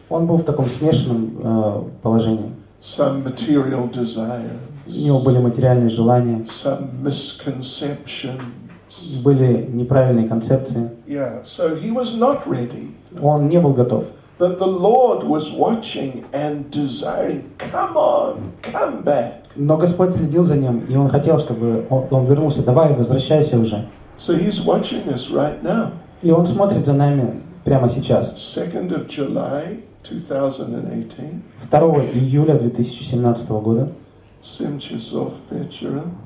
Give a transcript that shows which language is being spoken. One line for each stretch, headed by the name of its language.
Russian: Он был в таком смешанном положении.
English: Some material desires.
Russian: У него были материальные желания.
English: Some misconceptions.
Russian: Были неправильные концепции.
English: Yeah, so he was not ready.
Russian: Он не был готов.
English: But the Lord was watching and desiring, come on, come back.
Russian: Но Господь следил за ним, и он хотел, чтобы он вернулся. Давай, возвращайся уже.
English: So he's watching us right now.
Russian: И он смотрит за нами прямо сейчас.
English: 2 July 2018.
Russian: 2 июля 2017 года. 7 часов вечера.